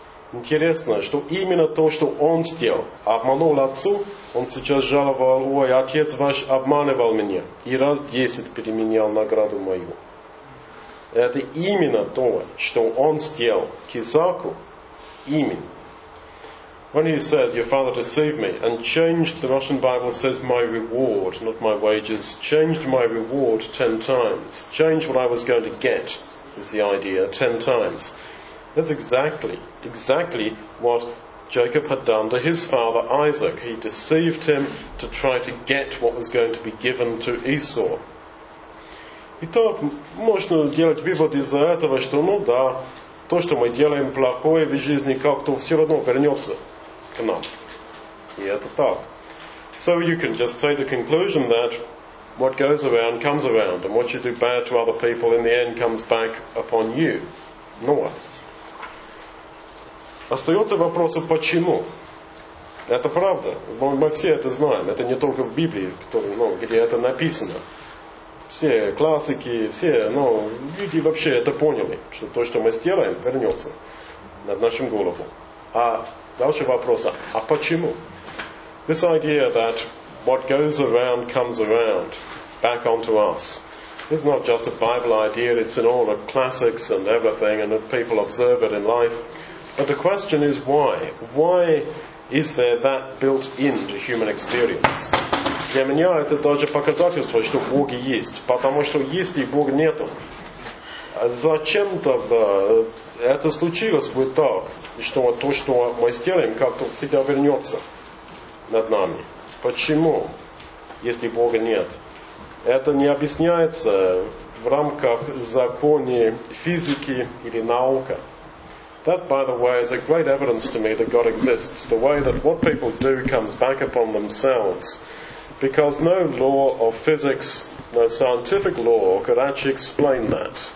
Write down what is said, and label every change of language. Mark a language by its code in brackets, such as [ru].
[ru] Интересно, что именно то, что он сделал, обманул отцу, он сейчас жаловал, ой, отец ваш обманывал меня, и раз 10 переменял награду мою. Это именно то, что он сделал к Исаку, именно. [en] When he says, your father deceived me, and changed, the Russian Bible says, my reward, not my wages, changed my reward 10 times. Change what I was going to get, is the idea, 10 times. That's exactly what Jacob had done to his father Isaac. He deceived him to try to get what was going to be given to Esau. [ru] Итак, можно делать вывод из этого, что, ну да, то, что мы делаем плохое в жизни, как-то все равно вернется. [en] Enough. Yeah, the thought. So you can just take the conclusion that what goes around comes around, and what you do bad to other people in the end comes back upon you. Noah. [ru] Остается вопрос, почему? Это правда. Мы все это знаем. Это не только в Библии, где это написано. Все классики, все, люди вообще это поняли, что то, что мы сделаем, вернется над нашим голову. А дальше вопрос, а почему? [en] This idea that what goes around comes around, back onto us. It's not just a Bible idea, it's in all the classics and everything, and that people observe it in life. But the question is why? Why is there that built into human experience? [ru] Для меня это даже показательство, что Бог есть, потому что есть и Бог нету. Зачем тогда это случилось бы так, что то, что мы сделаем, как-то всегда вернется над нами? Почему, если Бога нет? Это не объясняется в рамках закона физики или науки. [en] That, by the way, is a great evidence to me that God exists. The way that what people do comes back upon themselves. Because no law of physics, no scientific law could actually explain that.